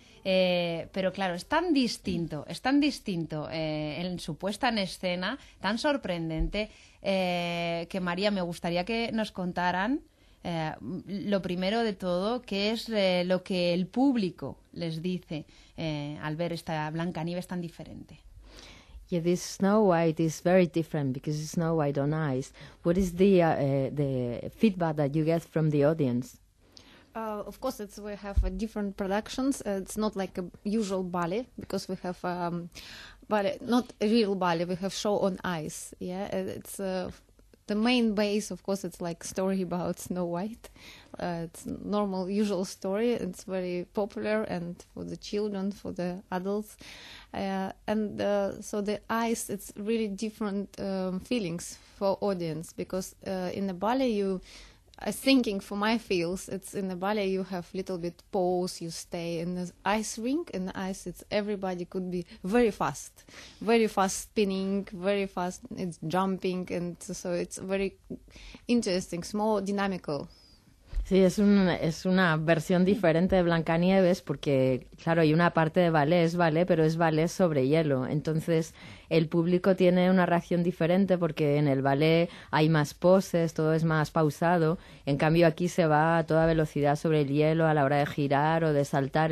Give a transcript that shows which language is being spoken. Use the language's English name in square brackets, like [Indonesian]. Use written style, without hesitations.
[Spanish] Pero claro, es tan distinto en su puesta en escena, tan sorprendente, que María, me gustaría que nos contaran lo primero de todo, qué es lo que el público les dice al ver esta Blancanieves tan diferente. [English] Yeah, this Snow White is very different because it's Snow White on ice. What is the feedback that you get from the audience? Of course, it's we have different productions. It's not like a usual ballet because we have ballet, not a real ballet. We have show on ice. Yeah, it's the main base. Of course, it's like story about Snow White. It's normal, usual story. It's very popular and for the children, for the adults, so the ice. It's really different feelings for audience because in the ballet you. I'm thinking for my feels, it's in the ballet you have little bit pause, you stay in the ice rink, in the ice it's everybody could be very fast spinning, very fast it's jumping, and so it's very interesting, small, dynamical. [Spanish] Sí, es una versión diferente de Blancanieves porque, claro, hay una parte de ballet, pero es ballet sobre hielo. Entonces, el público tiene una reacción diferente porque en el ballet hay más poses, todo es más pausado. En cambio, aquí se va a toda velocidad sobre el hielo a la hora de girar o de saltar.